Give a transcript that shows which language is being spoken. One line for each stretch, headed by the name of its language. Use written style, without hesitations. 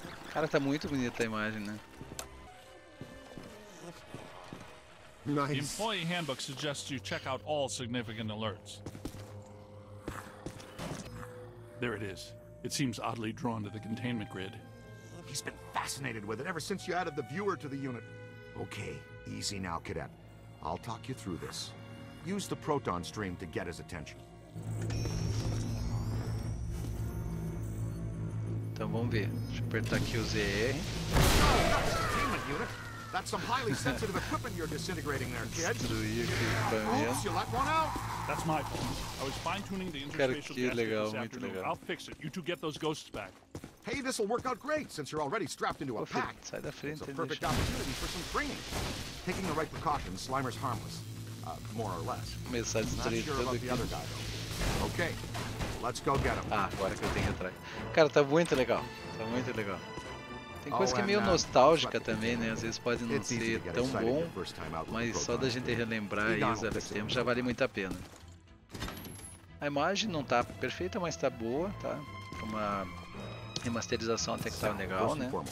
Portuguese: Cara, tá muito bonita a imagem, né?
English: Nice. The employee handbook suggests you check out all significant alerts. There it is. It seems oddly drawn to the containment grid. He's been fascinated with it ever since you added the viewer to the unit. Okay, easy now, cadet. I'll talk you through this. Use the proton stream to get his attention.
Portuguese: Então vamos ver. Deixa eu apertar aqui o ZR.
English: That's some highly sensitive equipment you're disintegrating there, kid. Oops, you let one out. That's my fault. I was fine-tuning the interspatial gas afternoon. I'll fix it. You two get those ghosts back. Hey, this will work out great since you're already strapped into a pack.
Portuguese: Sai da frente,
English: it's a perfect opportunity for some training. Taking the right precautions, Slimer's harmless. More or less. Not sure about the other guy, though. Okay, let's go get him.
Portuguese: Ah, agora que eu tenho atrás. Cara, tá muito legal. Tá muito legal. Tem coisa que é meio nostálgica também, né? Às vezes pode não ser tão bom, mas só da gente relembrar aí os velhos tempos já vale muito a pena. A imagem não tá perfeita, mas tá boa, tá? Uma remasterização até que tá legal, né?